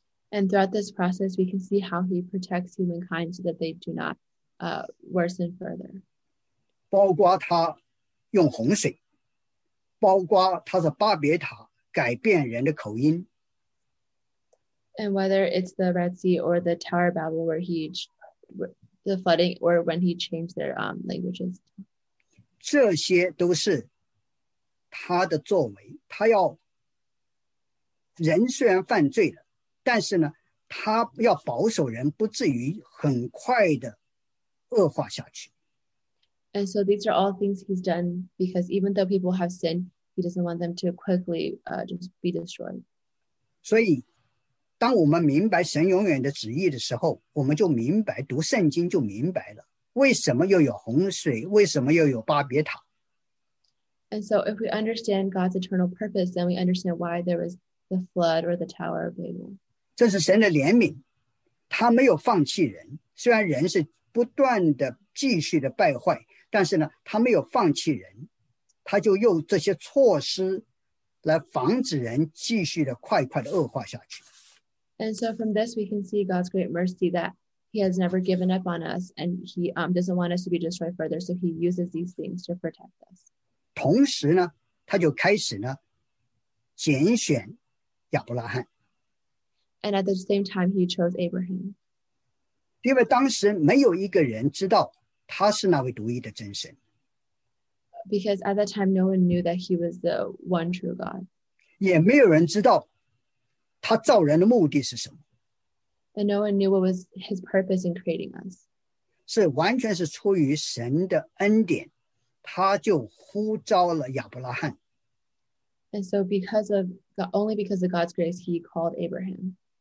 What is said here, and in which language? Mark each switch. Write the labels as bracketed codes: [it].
[en] And throughout this process, we can see how he protects humankind so that they do not worsen further. [zh] 包括他用洪水。包括他是巴别塔改变人的口音。 [en] And whether it's the Red Sea or the Tower of Babel where he, the flooding, or when he changed their languages. [zh] 这些都是他的作为，他要，人虽然犯罪了，但是呢，他要保守人不至于很快的恶化下去。 [en] And so these are all things he's done because even though people have sinned, he doesn't want them to quickly just be destroyed. [zh] 所以当我们明白神永远的旨意的时候，我们就明白，读圣经就明白了，为什么又有洪水，为什么又有巴别塔。 [en] And so if we understand God's eternal purpose, then we understand why there was the flood or the Tower of Babel. [zh] 这是神的怜悯，他没有放弃人，虽然人是不断的继续的败坏，但是呢，他没有放弃人，他就用这些措施来防止人继续的快快的恶化下去。 [en] And so from this, we can see God's great mercy that he has never given up on us and he doesn't want us to be destroyed further. So he uses these things to protect us. [zh] 同时呢，他就开始呢，拣选亚伯拉罕。 [en] And at the same time, he chose Abraham. [zh] 因为当时没有一个人知道他是那位独一的真神。 [en] Because at that time, no one knew that he was the one true God. [zh] 也没有人知道他造人的目的是什么。 [en] And no one knew what was his purpose in creating us. [zh] 是完全是出于神的恩典，他就呼召了亚伯拉罕。 [en] And so because of God, only because of God's grace, he called Abraham.